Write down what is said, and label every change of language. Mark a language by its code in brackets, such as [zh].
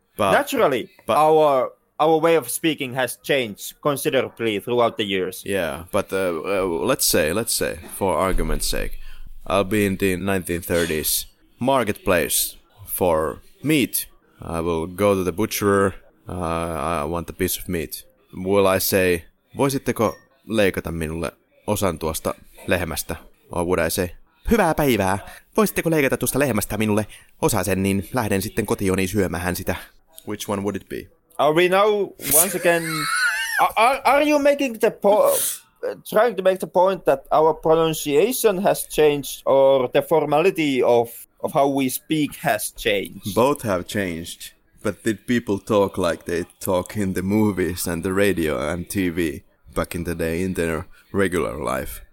[en] But, naturally, but, our way of speaking has changed considerably throughout the years. Yeah, but let's say, for argument's sake, I'll be in the 1930s marketplace for meat. I will go to the butcher. I want a piece of meat. Will I say, [fi] voisitteko leikata minulle osan tuosta lehmästä? [en] Or would I say, [fi] hyvää päivää. Voisitteko leikata tuosta lehmästä minulle osa sen, niin lähden sitten kotioni syömään sitä. [en] Which one would it be? Are we now, once again, are you making the point? Trying to make the point that our pronunciation has changed or the formality of how we speak has changed. Both have changed. But did people talk like they talk in the movies and the radio and TV back in the day in their regular life?